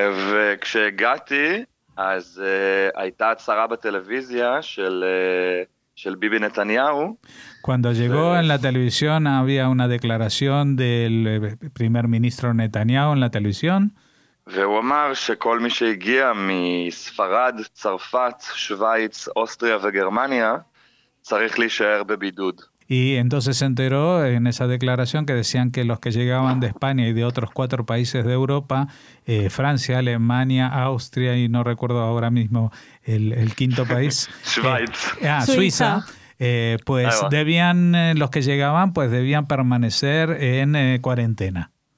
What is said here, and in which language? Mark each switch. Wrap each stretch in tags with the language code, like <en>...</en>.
<he>וכשהגעתי, אז הייתה הצהרה בטלוויזיה של ביבי נתניהו.</he> <es>Cuando llegó en la televisión, había una declaración del primer ministro Netanyahu en la televisión.</es> <he>והוא אמר שכל מי שהגיע מספרד, צרפת, שוויץ, אוסטריה וגרמניה, צריך להישאר בבידוד.</he> <es>Y entonces se enteró en esa declaración que decían que los que llegaban de España y de otros cuatro países de Europa, Francia, Alemania, Austria y no recuerdo ahora mismo el quinto país.</es> <de>Schweiz.</de> <es>Suiza. Pues debían, los que llegaban, pues debían permanecer en cuarentena.</es>